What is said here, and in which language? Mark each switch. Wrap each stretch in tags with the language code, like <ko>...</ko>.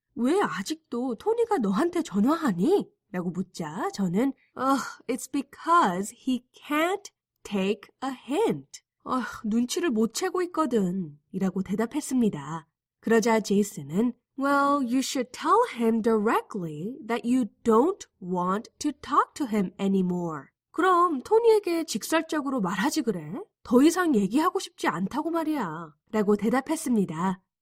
<ko>왜 아직도 토니가 너한테 전화하니? 라고 묻자 저는</ko> <en>It's because he can't take a hint.</en> <ko>눈치를 못 채고 있거든 이라고 대답했습니다. 그러자 제이슨은</ko> <en>Well, you should tell him directly that you don't want to talk to him anymore.</en> <ko>그럼 토니에게 직설적으로 말하지 그래? 더 이상 얘기하고 싶지 않다고 말이야 라고 대답했습니다.</ko>